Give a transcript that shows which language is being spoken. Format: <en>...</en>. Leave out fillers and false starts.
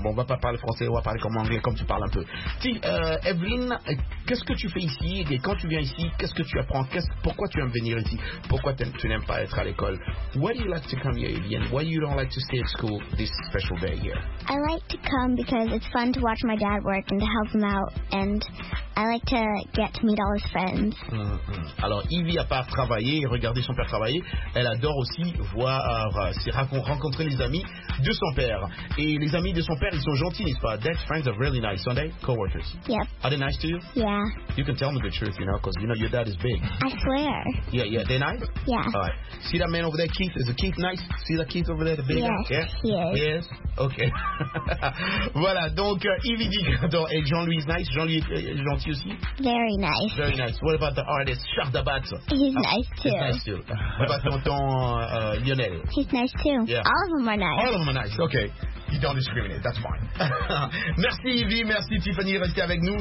<fr>Bon, on va pas parler français, on va parler comme anglais, comme tu parles un peu. Evelyn, qu'est-ce que tu fais ici? Et quand tu viens ici, qu'est-ce que tu apprends? Pourquoi tu aimes venir ici? Pourquoi tu n'aimes pas être à l'école?</fr> <en>Why do you like to come here, Evelyn? Why you don't like to stay at school this special day here? I like to come because it's fun to watch my dad work and to help him out. And I like to get to meet all his friends. Mm-hmm.</en> <fr>Alors, Evie, à part travailler et regarder son père travailler, elle adore aussi rencontrer les amis de son père. Et les amis de son père, ils sont gentils, n'est-ce pas?</fr> <en>Dad's friends are really nice, aren't they? Co-workers. Yep. Are they nice to you? Yeah. You can tell me the truth, you know, because you know your dad is big. I swear. Yeah, they're nice? Yeah. All right. See that man over there, Keith? Is the Keith nice? See that Keith over there, the big guy? Yes, yeah? Yes. Yes? Okay.</en> <fr>Voilà, donc, Evie dit, et Jean-Louis</fr> <en>is nice.</en> <fr>Jean-Louis est gentil aussi?</fr> <en>Very nice. Very nice. What about the artist, Charles Dabat? He's nice, too. He's nice, too. What about tonton Lionel? He's nice, too. Yeah. All of them are nice. All of them are nice, okay. You don't discriminate, that's fine.</en> <fr>Merci, Evie, merci, Tiffany, restez avec nous.</fr>